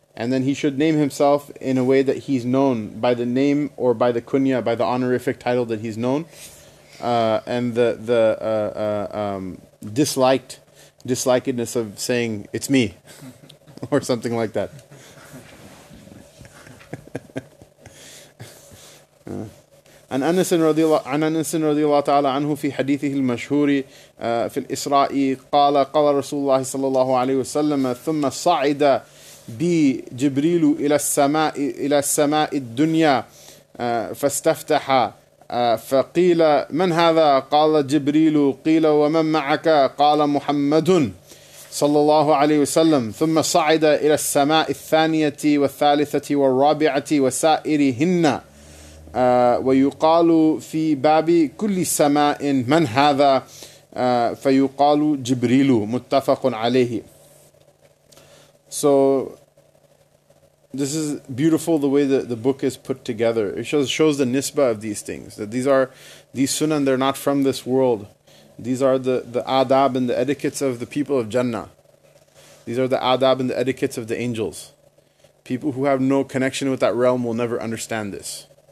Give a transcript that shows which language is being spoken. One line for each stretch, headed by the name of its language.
English: And then he should name himself in a way that he's known by the name or by the kunya, by the honorific title that he's known. And the dislikedness of saying, it's me, or something like that.
Arabic: عن أنس رضي الله تعالى عنه في حديثه المشهور في الإسراء قال رسول الله صلى الله عليه وسلم ثم صعد بجبريل إلى السماء الدنيا فاستفتح فقيل من هذا قال جبريل قيل ومن معك قال محمد صلى الله عليه وسلم ثم صعد إلى السماء الثانية والثالثة والرابعة وسائرهن ويقال في باب كل سماء من هذا فيقال جبريل متفق عليه.
English: So this is beautiful, the way that the book is put together. It shows the nisbah of these things, that these sunan, they're not from this world. These are the adab and the etiquettes of the people of Jannah. These are the adab and the etiquettes of the angels. People who have no connection with that realm will never understand this.